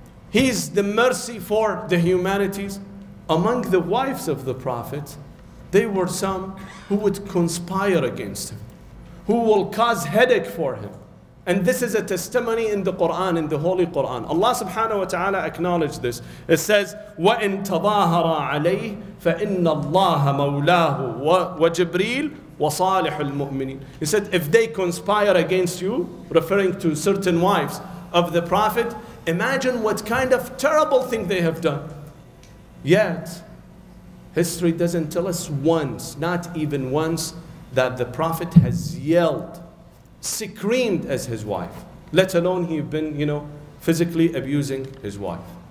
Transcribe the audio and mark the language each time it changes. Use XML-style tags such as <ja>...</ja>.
<en>He's the mercy for the humanities. Among the wives of the Prophet, there were some who would conspire against him, who will cause headache for him. And this is a testimony in the Quran, in the Holy Quran. Allah subhanahu wa ta'ala acknowledged this. It says,</en> <ar>وَإِن تَظَاهَرَ عَلَيْهِ فَإِنَّ اللَّهَ مَوْلَاهُ وَجِبْرِيلُ وَصَالِحُ الْمُؤْمِنِينَ.</ar> <en>He said, if they conspire against you, referring to certain wives of the Prophet, imagine what kind of terrible thing they have done. Yet, history doesn't tell us once, not even once, that the Prophet has yelled, screamed as his wife, let alone he'd been, you know, physically abusing his wife.</en>